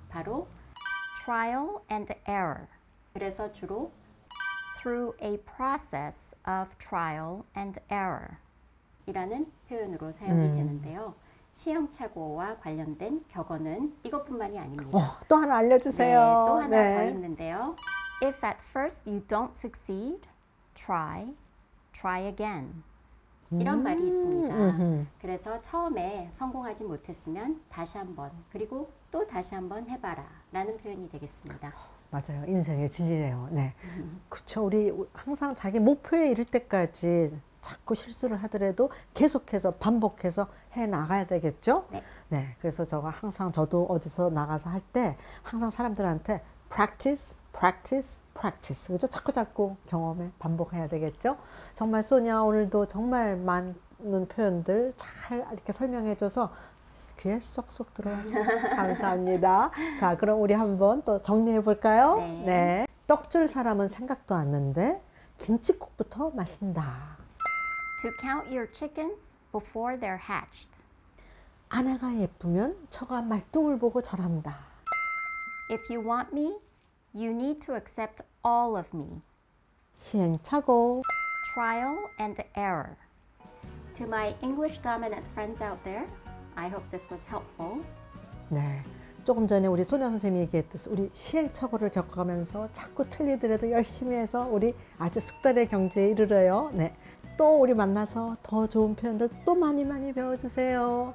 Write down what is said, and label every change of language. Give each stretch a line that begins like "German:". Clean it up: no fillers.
Korean: 바로
English: trial and error.
Korean: 그래서 주로
English: through a process of trial and error
Korean: 이라는 표현으로 사용이 되는데요. 시행착오와 관련된 격언은 이것뿐만이 아닙니다. 또 하나 알려주세요. 네, 또 하나 더 있는데요.
English: If at first you don't succeed, try again.
Korean: 이런 말이 있습니다. 그래서 처음에 성공하지 못했으면 다시 한번 그리고 또 다시 한번 해봐라 라는 표현이 되겠습니다. 맞아요. 인생의 진리네요. 네. 그렇죠. 우리 항상 자기 목표에 이를 때까지 자꾸 실수를 하더라도 계속해서 반복해서 해나가야 되겠죠. 네. 네. 그래서 제가 항상 저도 어디서 나가서 할 때 항상 사람들한테
English: practice, practice, practice.
Korean: 그렇죠? 자꾸 경험에 반복해야 되겠죠. 정말 소냐 오늘도 정말 많은 표현들 잘 이렇게 설명해줘서 귀에 쏙쏙 들어왔어요. 감사합니다. 자, 그럼 우리 한번 또 정리해 볼까요? 네. 네. 떡 줄 사람은 생각도 안 했는데 김치국부터 마신다.
English: To count your chickens before they're hatched.
Korean: 아내가 예쁘면 처가 말뚝을 보고 절한다.
English: If you want me, you need to accept all of me.
Korean: 시행착오.
English: Trial and error. To my English dominant friends out there, I hope this was helpful.
Korean: 네, 조금 전에 우리 소녀 선생님이 얘기했듯이 우리 시행착오를 겪으면서 자꾸 틀리더라도 열심히 해서 우리 아주 숙달의 경지에 이르러요. 네, 또 우리 만나서 더 좋은 표현들 또 많이 많이 배워주세요.